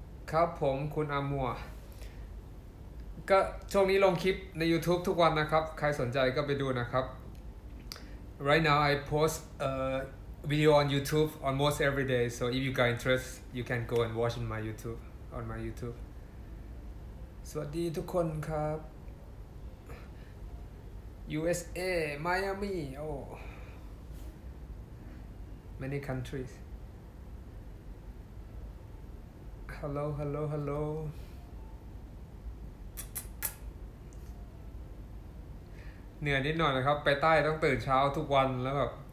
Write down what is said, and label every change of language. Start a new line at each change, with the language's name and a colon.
Thai: ครับผมคุณอามัวก็ช่วงนี้ลงคลิปใน YouTube ทุกวันนะครับใครสนใจก็ไปดูนะครับ
English: Right now I post a video on YouTube almost every day. So if you got interest, you can go and watch on my YouTube.
Thai: สวัสดีทุกคนครับ USA Miami
English: oh many countries hello
Thai: เหนื่อยนิดหน่อยนะครับไปใต้ต้องตื่นเช้าทุกวันแล้วแบบ